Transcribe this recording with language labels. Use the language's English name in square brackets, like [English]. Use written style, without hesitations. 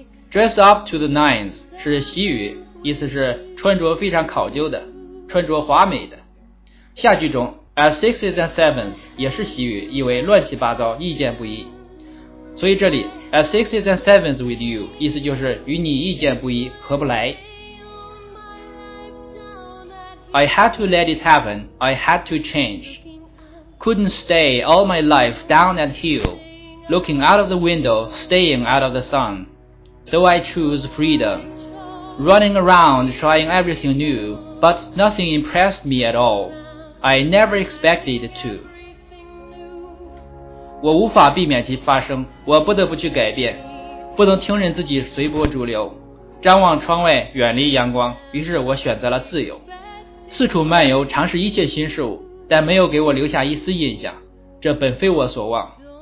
[English] Dress up to the nines [Chinese] 是习语，意思是穿着非常考究的，穿着华美的。下句中 [English] at sixes and sevens [Chinese] 也是习语，意为乱七八糟，意见不一。所以这里 [English] at sixes and sevens with you [Chinese] 意思就是与你意见不一，合不来。 [English] I had to let it happen, I had to change. Couldn't stay all my life down at hill, looking out of the window, staying out of the sunSo I choose freedom, running around trying everything new, but nothing impressed me at all. I never expected to. [Chinese] 我无法避免其发生，我不得不去改变，不能听任自己随波逐流，张望窗外，远离阳光，于是我选择了自由，四处漫游，尝试一切新事物，但没有给我留下一丝印象，这本非我所望。